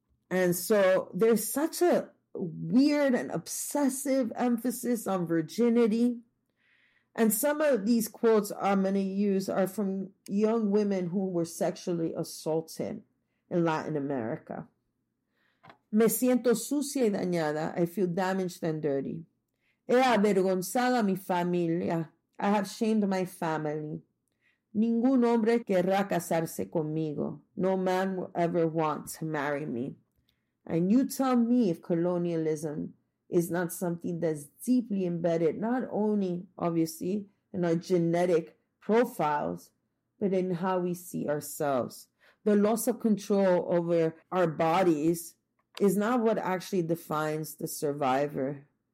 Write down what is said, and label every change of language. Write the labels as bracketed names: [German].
[English] And so there's such a weird and obsessive emphasis on virginity. And some of these quotes I'm going to use are from young women who were sexually assaulted in Latin America. [Spanish] Me siento sucia y dañada. [English] I feel damaged and dirty. [Spanish] He avergonzado a mi familia. [English] I have shamed my family. [Spanish] Ningún hombre querrá casarse conmigo. [English] No man will ever want to marry me. And you tell me if colonialism is not something that's deeply embedded, not only, obviously, in our genetic profiles, but in how we see ourselves. The loss of control over our bodies is not what actually defines the survivor.